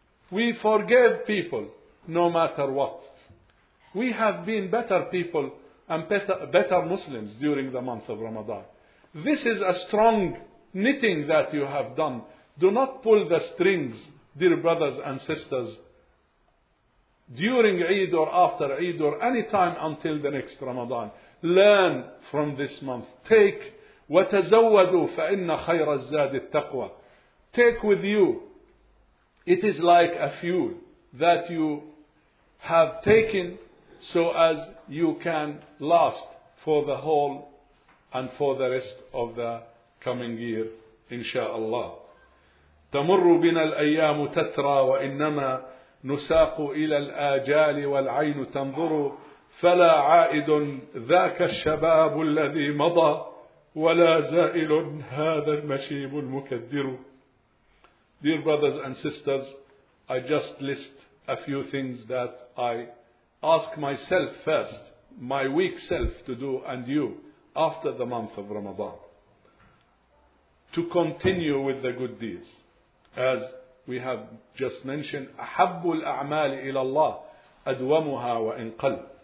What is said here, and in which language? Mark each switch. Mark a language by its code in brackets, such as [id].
[en] We forgave people no matter what. We have been better people and better Muslims during the month of Ramadan. This is a strong knitting that you have done. Do not pull the strings, dear brothers and sisters, during Eid or after Eid or any time until the next Ramadan. Learn from this month. [ar] Take وَتَزَوَّدُوا فَإِنَّ خَيْرَ الزَّادِ التَّقْوَى. [en] Take with you. It is like a fuel that you have taken so as you can last for the whole and for the rest of the coming year, inshaAllah. [ar] تَمُرُّ بِنَا الْأَيَّامُ تَتْرَى وَإِنَّمَا نساق إلى الآجال والعين تنظر فلا عائد ذاك الشباب الذي مضى ولا زائل هذا المشيب المكدر. [en] Dear brothers and sisters, I just list a few things that I ask myself first, my weak self, to do, and you after the month of Ramadan, to continue with the good deeds. As we have just mentioned, [ar] أحب الأعمال إلى الله أدومها وإن قل.